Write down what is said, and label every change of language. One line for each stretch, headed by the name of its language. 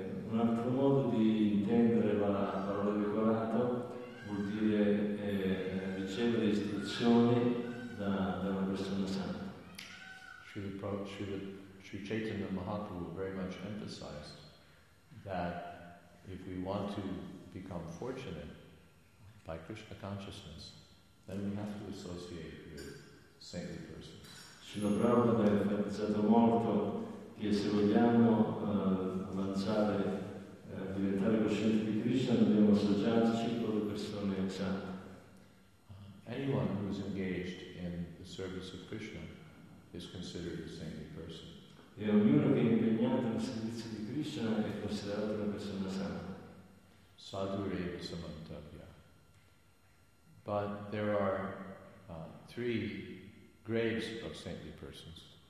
Italian: Un altro modo di intendere la parola decorato vuol dire ricevere istruzioni da una persona santa.
English: Sri Chaitanya Mahaprabhu very much emphasized that if we want to become fortunate by Krishna consciousness, then we have to associate with saintly persons.
Italian: Srila Prabhupada ha emphasizzato molto che se vogliamo avanzare, diventare coscienti di Krishna, dobbiamo associarci con le persone sante.
English: Anyone who is engaged in the service of Krishna is considered a saintly person.
Italian: E ognuno che è impegnato nel servizio di Krishna è considerato una persona santa.
Sanskrit: Sadhuri samantavya.
English: But there are three grades of saintly persons.